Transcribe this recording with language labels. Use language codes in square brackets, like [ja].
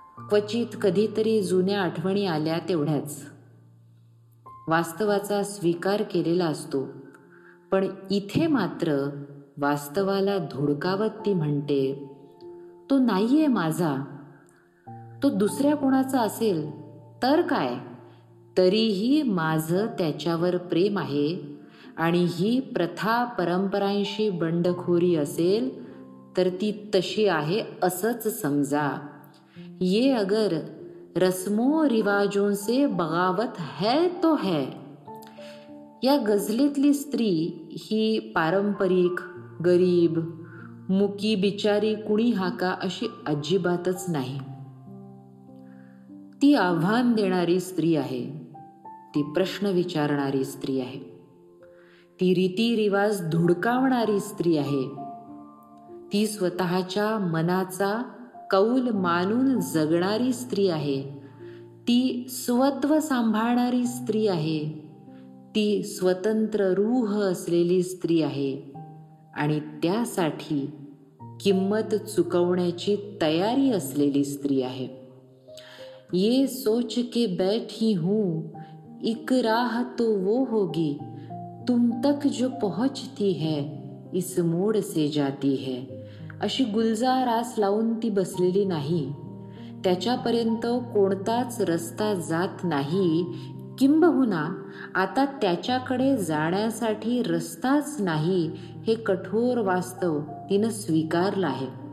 [mr] क्वचित कधीतरी जुन्या आठवणी आल्या तेवढ्याच. वास्तवाचा स्वीकार केलेला असतो पण इथे मात्र वास्तवाला धुडकावत ती म्हणते, तो नाहीये माझा, तो दुसऱ्या कोणाचा असेल तर काय, तरीही माझं त्याच्यावर प्रेम आहे आणि ही प्रथा परंपरांशी बंडखोरी असेल तर ती तशी आहे असंच समजा. [hi] ये अगर रस्मो रिवाजों से बगावत है तो है. [mr] या गझलेतली स्त्री ही पारंपरिक, गरीब, मुकी, बिचारी कुणी हाका अशी अजिबातच नाही. ती आव्हान देणारी स्त्री आहे. ती प्रश्न विचारणारी स्त्री आहे. ती रीतिरिवाज धुडकावणारी स्त्री आहे. ती स्वतःच्या मनाचा कौल मानून जगणारी स्त्री आहे. ती स्वत्व सांभाळणारी स्त्री आहे. ती स्वतंत्र रूह असलेली स्त्री आहे आणि त्यासाठी किंमत चुकवण्याची तयारी असलेली स्त्री आहे. [hi] ये सोच के बैठी हूं एक राह तो वो होगी तुम तक जो पहुंचती है इस मोड़ से जाती है. [mr] अशी गुलजार आस लावून ती बसलेली नाही. त्याच्यापर्यंत कोणताच रस्ता जात नाही. किंबहुना आता त्याच्याकडे जाण्यासाठी रस्ताच नाही हे कठोर वास्तव तिनं स्वीकारलं आहे.